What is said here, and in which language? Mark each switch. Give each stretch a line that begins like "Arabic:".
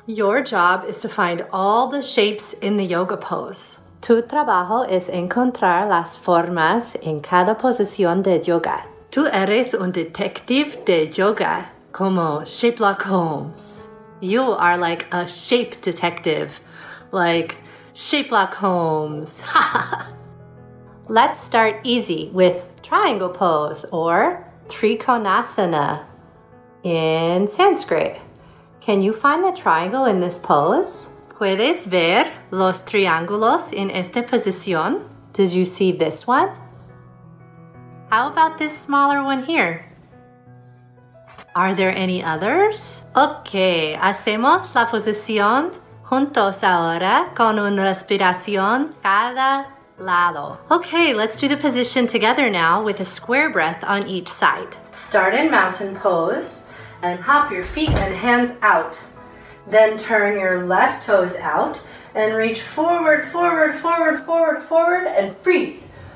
English: Your job is to find all the shapes in the yoga pose.
Spanish: Tu trabajo es encontrar las formas en cada posición de yoga. Tú eres un detective de yoga, como Sherlock Holmes.
English: You are like a shape detective, like Sherlock Holmes. Let's start easy with triangle pose or trikonasana in Sanskrit. Can you find the triangle in this pose?
Spanish: ¿Puedes ver los triángulos en esta posición?
English: Did you see this one? How about this smaller one here? Are there any others?
Spanish: Okay, hacemos la posición juntos ahora con una respiración cada lado.
English: Okay, let's do the position together now with a square breath on each side. Start in mountain pose and hop your feet and hands out. Then turn your left toes out and reach forward, forward, forward, forward, forward, and freeze.